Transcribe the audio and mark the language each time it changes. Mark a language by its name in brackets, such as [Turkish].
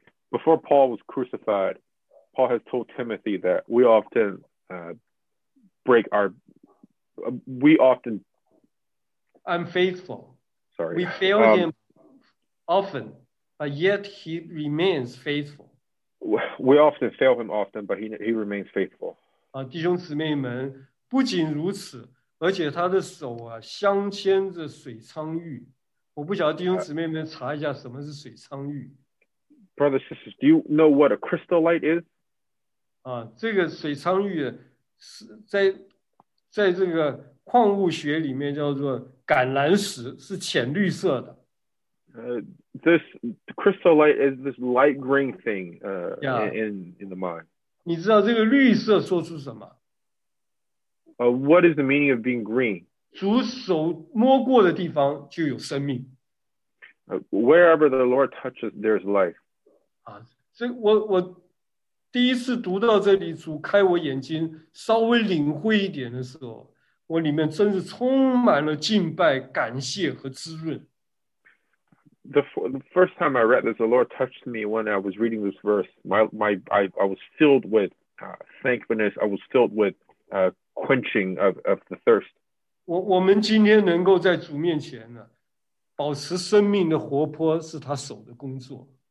[English] Before Paul was crucified, Paul has told Timothy that we often break our, we often unfaithful. Sorry. We fail him often, but yet he remains faithful. We often fail him often, but he remains faithful. [Chinese] 弟兄姊妹们，不仅如此，而且他的手啊，镶嵌着水苍玉。我不晓得弟兄姊妹们查一下什么是水苍玉。 [English] Brothers, sisters, do you know what a crystal light is? [Chinese] 这个水苍玉在这个矿物学里面叫做橄榄石，是浅绿色的。 [English] This crystal light is this light green thing yeah. in the mine. [Chinese] 你知道这个绿色说出什么？ [English] what is the meaning of being green? [Chinese] 主手摸过的地方就有生命。 [English] Wherever the Lord touches, there's life. [Chinese] 啊，所以我第一次读到这里，主开我眼睛，稍微领会一点的时候，我里面真是充满了敬拜、感谢和滋润。 [English] The first time I read this, the Lord touched me when I was reading this verse. I was filled with thankfulness. I was filled with quenching of the thirst. [Chinese] 我们今天能够在主面前呢，保持生命的活泼，是他手的工作。